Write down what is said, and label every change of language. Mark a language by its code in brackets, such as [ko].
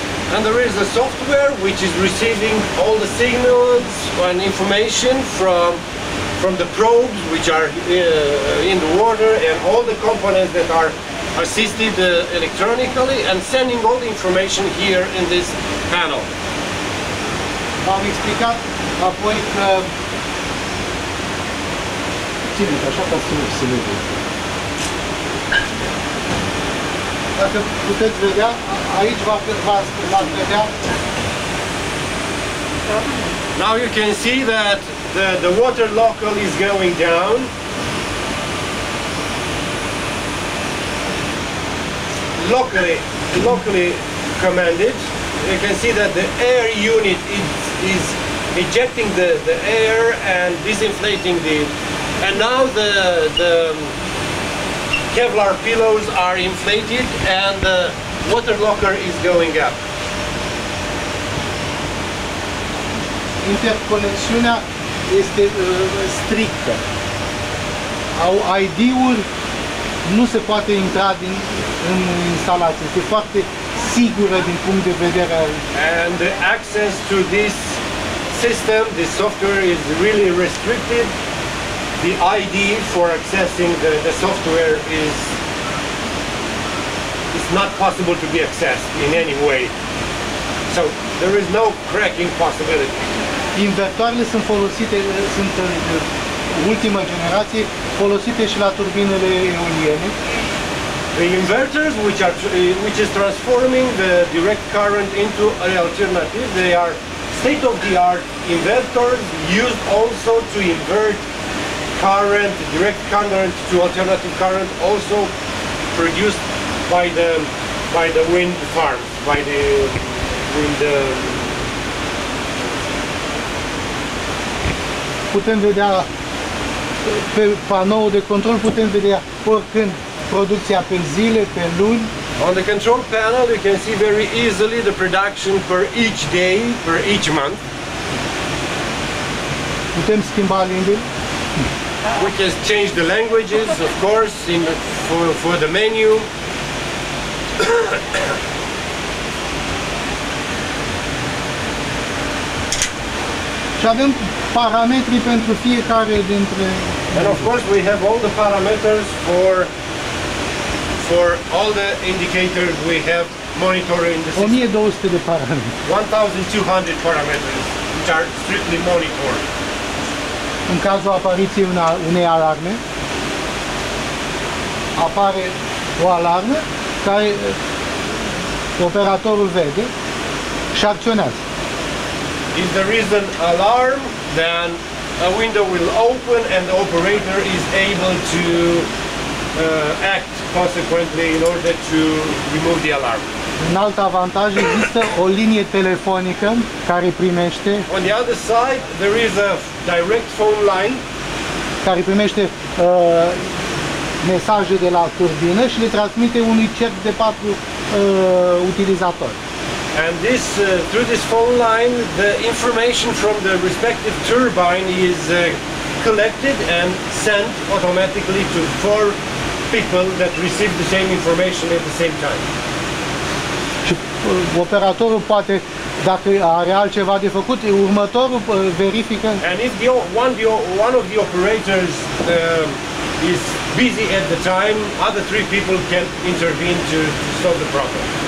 [en] And there is a software which is receiving all the signals and information from the probes which are in the water and all the components that are assisted electronically and sending all the information here in this panel. [ro] V-am explicat apoi că ținut, așa ca să nu vedeți. Dacă puteți vedea, aici v-ați vedea. [en] Now you can see that the water local is going down. Locally commanded. You can see that the air unit is ejecting the air and disinflating the. And now the Kevlar pillows are inflated and the water locker is going up. [ro] Interconexiunea este strictă. Au ID-uri. Nu se poate intra în instalație. Este foarte sigură din punct de vedere. [en] And the access to this system, the software is really restricted. The ID for accessing the software is not possible to be accessed in any way. So there is no cracking possibility. [ro] Invertoarele sunt folosite, sunt ultima generație, folosite și la turbinele eoliene. [en] The inverters which is transforming the direct current into an alternative, they are state of the art inverters used also to invert current, direct current to alternating current, also produced by the wind farm, by the wind. [ro] Putem vedea pe panou de control, putem vedea oricând producția pe zile, pe luni. [en] On the control panel you can see very easily the production per each day, per each month. [ro] Putem schimba limbile? [en] We can change the languages, of course, in the, for the menu. [ro] Și avem parametri pentru fiecare dintre. [en] And of course we have all the parameters for all the indicators we have monitoring the system. [ro] 1200 de parametri. [en] 1200 parameters which are strictly monitored. [ro] În cazul apariției unei alarme, apare o alarmă care operatorul vede și acționează. [en] If there is an alarm, then a window will open and the operator is able to act consequently in order to remove the alarm. [ro] Un alt avantaj, există o linie telefonică care primește. [en] On the other side, there is a direct phone line [ro] care primește mesaje de la turbină și le transmite unui cerc de patru utilizatori. [en] And this through this phone line, the information from the respective turbine is collected and sent automatically to four people that receive the same information at the same time. [ro] Operatorul poate, dacă are altceva de făcut, următorul verifică. [en] And if one of the operators is busy at the time, other three people can intervene to solve the problem.